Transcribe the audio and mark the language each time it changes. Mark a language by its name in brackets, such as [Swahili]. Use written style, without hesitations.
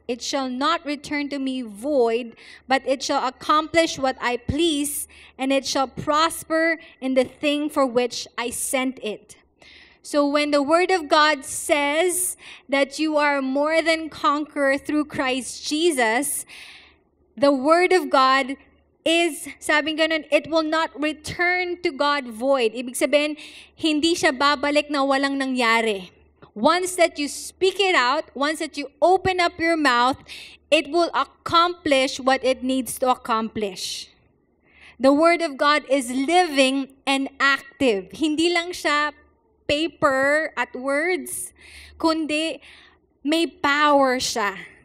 [English] It shall not return to me void, but it shall accomplish what I please, and it shall prosper in the thing for which I sent it. So when the word of God says that you are more than conqueror through Christ Jesus, the word of God is, [Filipino] sabi ng ganun, [English] it will not return to God void. [Filipino] Ibig sabihin, hindi siya babalik na walang nangyari. [English] Once that you speak it out, once that you open up your mouth, it will accomplish what it needs to accomplish. The word of God is living and active. [Filipino] Hindi lang siya paper at words, kundi may power siya.